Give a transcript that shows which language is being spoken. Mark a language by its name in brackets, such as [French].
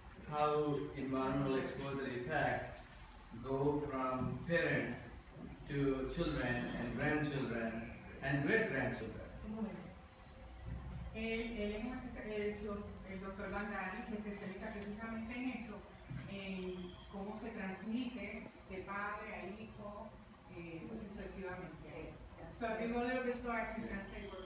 [English] how environmental exposure effects go from parents to children and grandchildren and great-grandchildren. [Spanish] Él es un especialista, el doctor Vandrani se especializa precisamente en eso, en cómo se transmite de padre a hijo, sucesivamente. [English] So in order to start, you can say